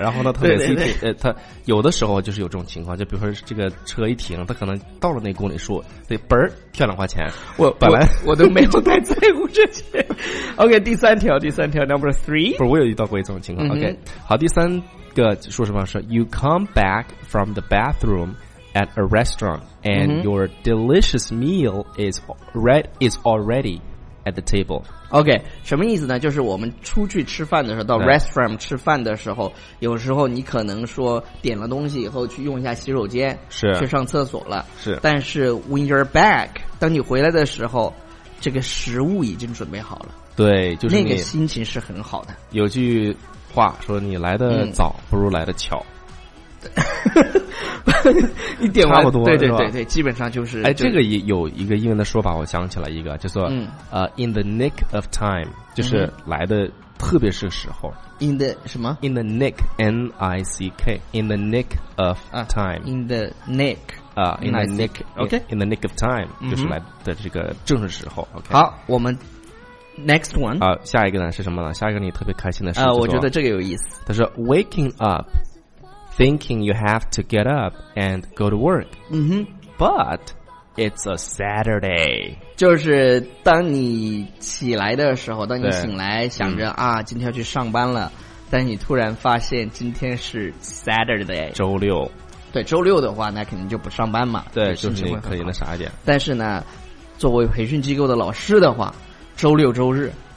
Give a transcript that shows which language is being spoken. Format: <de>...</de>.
<zh>然后呢，他每次他有的时候就是有这种情况，就比如说这个车一停，他可能到了那公里数，得嘣儿跳两块钱。我本来我都没有太在乎这些。OK， 第三条 ，</zh> <en>Number Three，</en> <zh>不是我有遇到过一种情况。OK， 好，第三个说什么？</zh> <en>说 You come back from the bathroom at a restaurant and your delicious meal is already. At the table.</en> <zh>OK， 什么意思呢？就是我们出去吃饭的时候，到 restaurant 吃饭的时候，有时候你可能说点了东西以后去用一下洗手间，是去上厕所了，是。但是</zh> <en>when you're back，</en> <zh>当你回来的时候，这个食物已经准备好了，对，就是那个心情是很好的。有句话说，你来的早不如来的巧。一点完差不多，对对对对，基本上就是。哎，这个也有一个英文的说法，我想起来一个，就说</zh> <en>in the nick of time，</en> <zh>就是来的特别是时候。</zh> <en>In the</en> <zh>什么</zh> <en>？In the nick， N I C K， in the nick of time， in the nick， in the nick， OK， in the nick of time，</en> <zh>就是来的这个正是时候。OK，好，我们</zh> <en>next one</en> <zh>啊，下一个呢是什么呢？下一个你特别开心的事啊，我觉得这个有意思。他说</zh> <en>，waking up。 Thinking you have to get up and go to work, but it's a Saturday.</en> <zh>就是当你起来的时候，当你醒来想着啊，今天要去上班了，但你突然发现今天是 Saturday，周六。对，周六的话，那肯定就不上班嘛。对，就是可以那啥一点。但是呢，作为培训机构的老师的话，周六周日</zh>